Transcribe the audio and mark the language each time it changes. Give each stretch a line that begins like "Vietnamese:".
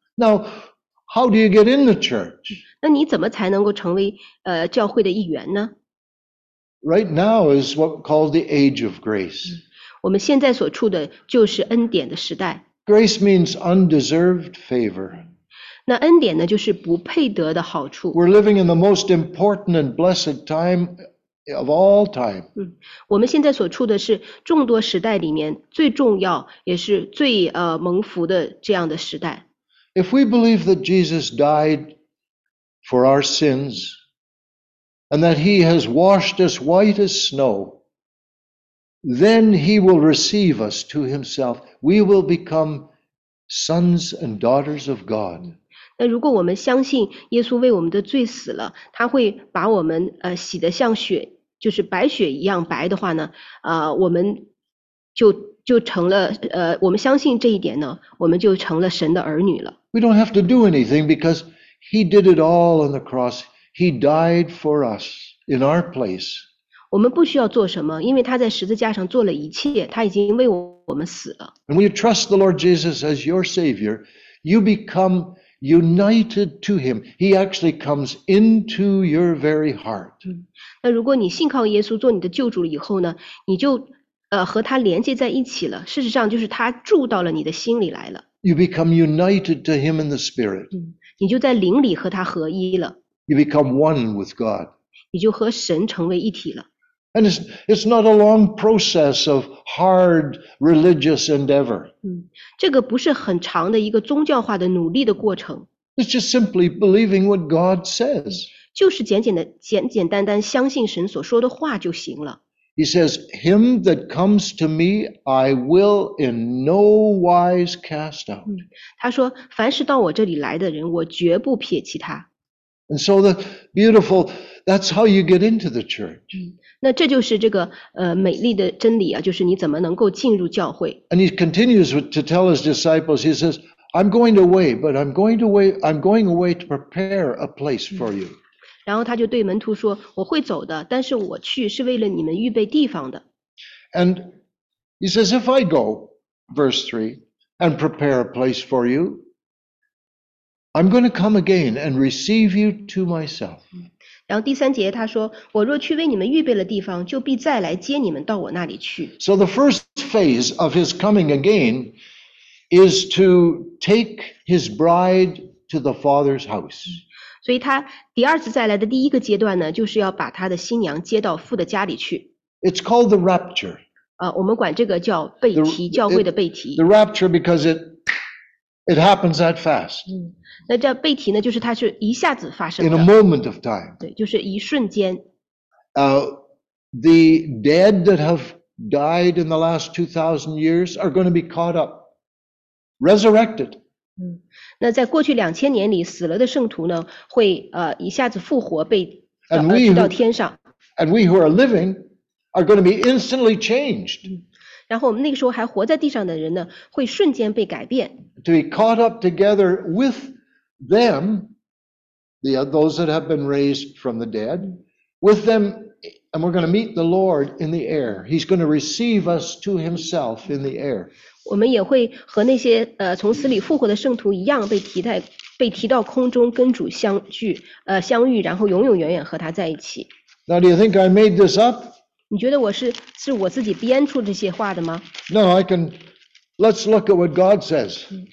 English: Now, how do you get in the church?
Chinese: 那你怎么才能够成为教会的一员呢？
English: Right now is what called the age of grace.
Chinese: 我们现在所处的就是恩典的时代。
English: Grace means undeserved favor.
Chinese: 那恩典呢，就是不配得的好处。
English: We're living in the most important and blessed time of all time.
Chinese: 我们现在所处的是众多时代里面最重要也是最蒙福的这样的时代。
English: If we believe that Jesus died for our sins, and that he has washed us white as snow, then he will receive us to himself. We will become sons and daughters of God.
Chinese: 那如果我们相信耶稣为我们的罪死了，他会把我们洗得像雪，就是白雪一样白的话呢，我们就成了我们相信这一点呢，我们就成了神的儿女了。
English: We don't have to do anything because he did it all on the cross. He died for us in our place.
Chinese: 我们不需要做什么，因为他在十字架上做了一切，他已经为我们死了。
English: And when you trust the Lord Jesus as your Savior, you become united to him. He actually comes into your very heart.
Chinese: 那如果你信靠耶稣做你的救主以后呢，你就和他连接在一起了。事实上就是他住到了你的心里来了。
English: You become united to him in the spirit.
Chinese: 你就在灵里和他合一了。
English: You become one with God.
Chinese: 你就和神成为一体了。
English: And it's not a long process of hard religious endeavor.
Chinese: 这个不是很长的一个宗教化的努力的过程。
English: It's just simply believing what God says.
Chinese: 就是简简单单相信神所说的话就行了。
English: He says, "Him that comes to me, I will in no wise cast out."
Chinese: 他说，凡是到我这里来的人，我绝不撇弃他。
English: And so the beautiful, that's how you get into the church.
Chinese: 那这就是这个美丽的真理啊，就是你怎么能够进入教会。
English: And he continues to tell his disciples, he says, "I'm going away, but I'm going away to prepare a place for you."
Chinese: 然后他就对门徒说，我会走的，但是我去是为了你们预备地方的。
English: And he says, if I go, verse 3, and prepare a place for you, I'm going to come again and receive you to myself.
Chinese: 然后第三节他说，我若去为你们预备了地方，就必再来接你们到我那里去。
English: So the first phase of his coming again is to take his bride to the Father's house.
Chinese: 所以他第二次再来的第一个阶段呢，就是要把他的新娘接到父的家里去。
English: It's called the rapture.
Chinese: 我们管这个叫被提，教会的被提。
English: The rapture because it happens that fast.
Chinese: 那这被提呢，就是它是一下子发生的。
English: In a moment of time.
Chinese: 对，就是一瞬间。
English: The dead that have died in the last 2,000 years are going to be caught up, resurrected.
Chinese: 那在过去两千年里死了的圣徒呢，会一下子复活，被提到天上。
English: And we who are living are going to be instantly changed.
Chinese: 然后我们那个时候还活在地上的人呢，会瞬间被改变。
English: To be caught up together with them, those that have been raised from the dead, with them. And we're going to meet the Lord in the air. He's going to receive us to himself in the air.
Chinese: 我们也会和那些从死里复活的圣徒一样被提到空中跟主相遇，然后永永远远和他在一起。
English: Now do you think I made this up?
Chinese: 你觉得我是我自己编出这些话的吗？
English: No, I can, let's look at what God says.